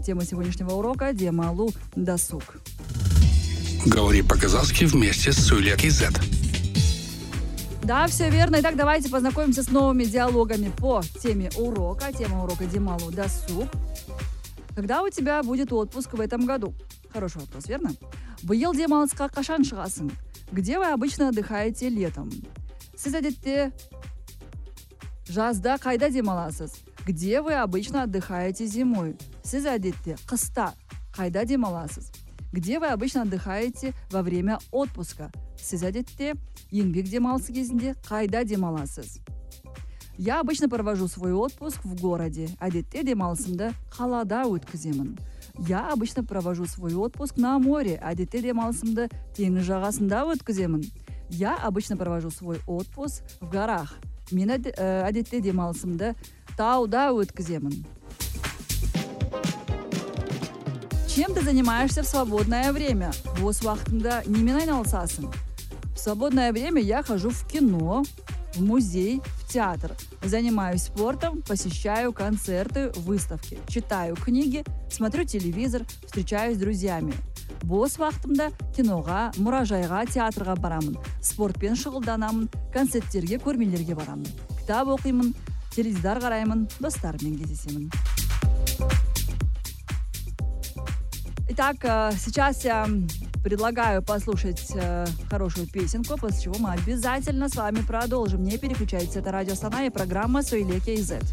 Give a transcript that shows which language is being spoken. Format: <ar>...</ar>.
<ru>Тема сегодняшнего урока – Демалу досуг. Говори по-казахски вместе с Сулят.кз. Да, все верно. Итак, давайте познакомимся с новыми диалогами по теме урока. Тема урока – Демалу досуг. Когда у тебя будет отпуск в этом году? Хороший вопрос, верно?</ru> <kk>Быйыл демалысқа қашан шығасың?</kk> <ru>Где вы обычно отдыхаете летом?</ru> <kk>Сіз әдетте жазда қайда демаласыз?</kk> <ru>Где вы обычно отдыхаете зимой?</ru> <kk>Сіз әдетте қыста қайда демаласыз?</kk> <ru>Где вы обычно отдыхаете во время отпуска?</ru> <kk>Сіз әдетте еңбек демалысы кезінде қайда демаласыз?</kk> <ru>Я обычно провожу свой отпуск в городе.</ru> <kk>Әдетте демалысымды қалада өткіземін.</kk> <ru>Я обычно провожу свой отпуск на море.</ru> <kk>Әдетте демалысымды теңіз жағасында өткіземін.</kk> <ru>Я обычно провожу свой отпуск в горах.</ru> <kk>Мен әдетте демалысымды тауда өткіземін.</kk> <ru>Чем ты занимаешься в свободное время?</ru> <kk>Бос уақытында немен айналысасың?</kk> <ru>В свободное время я хожу в кино, в музей, театр. Занимаюсь спортом, посещаю концерты, выставки, читаю книги, смотрю телевизор, встречаюсь с друзьями.</ru> <kk>Бос вақытымда киноға, мұражайға, театрға барамын, спортпен шұғылданамын, концерттерге, көрмелерге барамын, кітап оқимын, теледидар қараймын, достармен кездесемін.</kk> <ru>Итак, сейчас я предлагаю послушать хорошую песенку, после чего мы обязательно с вами продолжим. Не переключайтесь, это радио Астана и программа Сулят.кз.</ru>